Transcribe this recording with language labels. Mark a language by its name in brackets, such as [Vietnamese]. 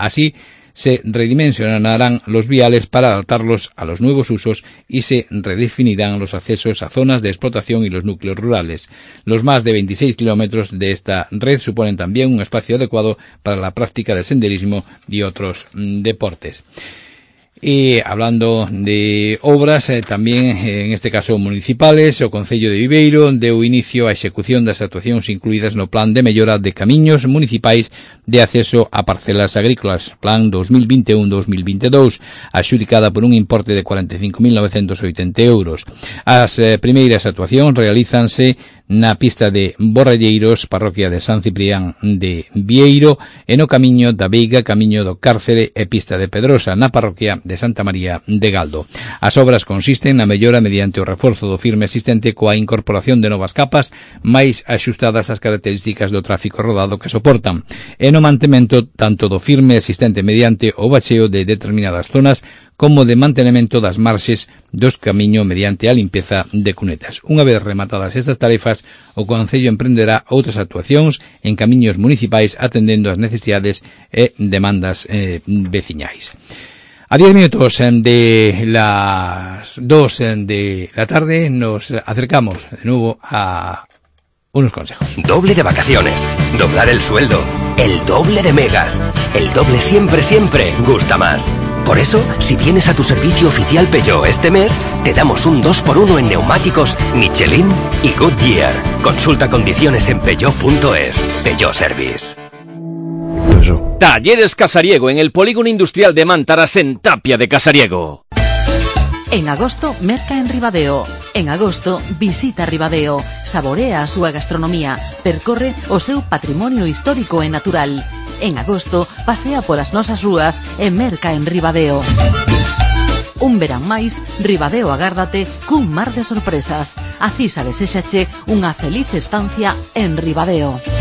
[Spanish] Así, se redimensionarán los viales para adaptarlos a los nuevos usos y se redefinirán los accesos a zonas de explotación y los núcleos rurales. Los más de 26 kilómetros de esta red suponen también un espacio adecuado para la práctica del senderismo y otros deportes. Y hablando de obras, también en este caso municipales, [Galician] o Concello de Viveiro deu inicio á execución das actuacións incluídas no Plan de Mellora de Camiños Municipais de Acceso a Parcelas Agrícolas, Plan 2021-2022, adxudicada por un importe de 45.980 euros. As primeiras actuacións realizanse na pista de Borralleiros, parroquia de San Ciprián de Vieiro, e no camiño da Veiga, camiño do Cárcere e pista de Pedrosa, na parroquia de Santa María de Galdo. As obras consisten na mellora mediante o reforzo do firme existente coa incorporación de novas capas máis axustadas ás características do tráfico rodado que soportan, e no mantemento tanto do firme existente mediante o bacheo de determinadas zonas como de mantenemento das marxes dos camiño mediante a limpeza de cunetas. Unha vez rematadas estas tarefas, o Concello emprenderá outras actuacións en camiños municipais atendendo as necesidades e demandas veciñais. [Spanish] A 10 minutos de las 2 de la tarde nos acercamos de nuevo a unos consejos. Doble de vacaciones, doblar el sueldo, el doble de megas, el doble siempre, siempre gusta más. Por eso, si vienes a tu servicio oficial Peugeot este mes, te damos un 2x1 en neumáticos Michelin y Goodyear. Consulta condiciones en Peugeot.es. Peugeot Service. Eso. Talleres Casariego en el polígono industrial de Mántaras en Tapia de Casariego. [Galician] En agosto, merca en Ribadeo. En agosto, visita Ribadeo. Saborea a súa gastronomía. Percorre o seu patrimonio histórico e natural. En agosto, pasea polas nosas rúas e merca en Ribadeo. Un verán máis, Ribadeo agárdate cun mar de sorpresas. Acisa desexache unha feliz estancia en Ribadeo.